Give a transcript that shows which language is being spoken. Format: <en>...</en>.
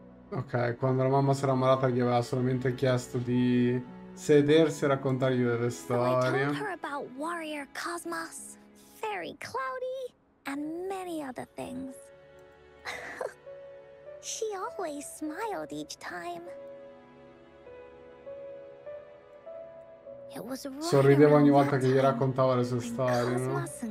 <it>Ok, quando la mamma sarà malata gli aveva solamente chiesto di sedersi e raccontargli delle storie.</it> <en>So I told her about Warrior Cosmos, Fairy Cloudy, and many other things. She always smiled each time.</en> <it>Sorrideva ogni volta che gli raccontava le sue storie, no?</it>